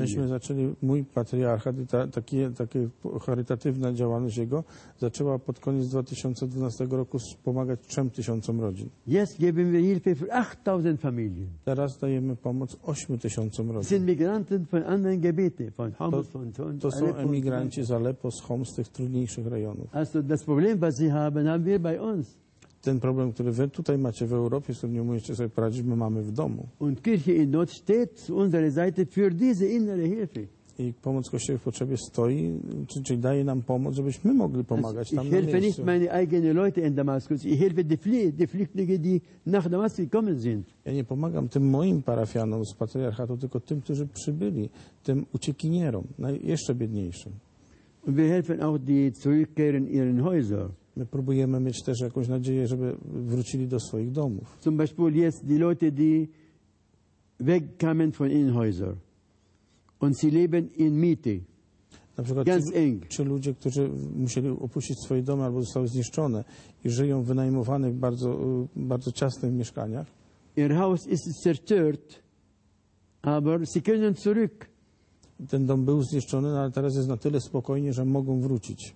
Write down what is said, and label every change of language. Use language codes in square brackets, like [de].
[pl] Myśmy zaczęli, mój patriarchat i takie charytatywne działalność jego zaczęła pod koniec 2012 roku pomagać 3000 rodzin. [de] Jetzt geben wir Hilfe für 8000 Familien. [pl] Teraz dajemy pomoc 8000 rodzin. [de] Sind Migranten von anderen Gebieten, von Homs, von [pl] to są emigranci z Aleppo, z Homs, z tych trudniejszych rejonów. [de] Also das Problem, was sie haben wir bei uns. [pl] Ten problem, który wy tutaj macie w Europie, z którym nie umiecie sobie poradzić, my mamy w domu. [de] Und Kirche in Not steht zu unserer Seite für diese innere Hilfe. [pl] I pomoc Kościoła w potrzebie stoi, czyli daje nam pomoc, żebyśmy mogli pomagać tam na miejscu. [de] Ich helfe nicht meine eigene Leute in Damaskus, ich helfe die Flüchtlinge, die nach Damaskus gekommen sind. [pl] Ja nie pomagam tym moim parafianom z patriarchatu, tylko tym, którzy przybyli, tym uciekinierom, jeszcze biedniejszym. [de] Und wir helfen auch die zurückkehren in ihren Häuser. [pl] My próbujemy mieć też jakąś nadzieję, żeby wrócili do swoich domów. [de] Zum Beispiel jetzt die Leute, die wegkamen von ihren Häusern und sie leben in Miete. [pl] Na przykład czy ludzie, którzy musieli opuścić swoje domy albo zostały zniszczone i żyją w wynajmowanych, bardzo, bardzo ciasnych mieszkaniach. [de] Ihr Haus ist zerstört, aber sie können zurück. [pl] Ten dom był zniszczony, ale teraz jest na tyle spokojnie, że mogą wrócić.